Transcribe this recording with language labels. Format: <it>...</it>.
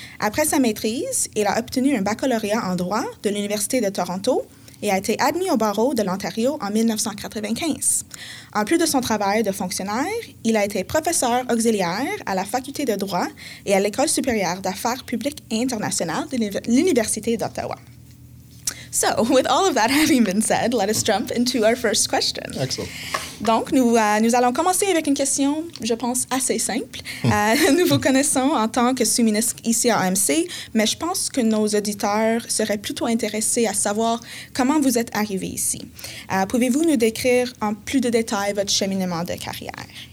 <fr>Après sa maîtrise, il a obtenu un baccalauréat en droit de l'Université de Toronto et a été admis au barreau de l'Ontario en 1995. En plus de son travail de fonctionnaire, il a été professeur auxiliaire à la Faculté de droit et à l'École supérieure d'affaires publiques et internationales de l'Université d'Ottawa.</fr> <en>So, with all of that having been said, let us jump into our first question. Excellent.</en> <fr>Donc, nous allons commencer avec une question, je pense, assez simple. Nous vous connaissons en tant que sous-ministre ici à AMC, mais je pense que nos auditeurs seraient plutôt intéressés à savoir comment vous êtes arrivé ici. Pouvez-vous nous décrire en plus de détails votre cheminement de carrière?</fr>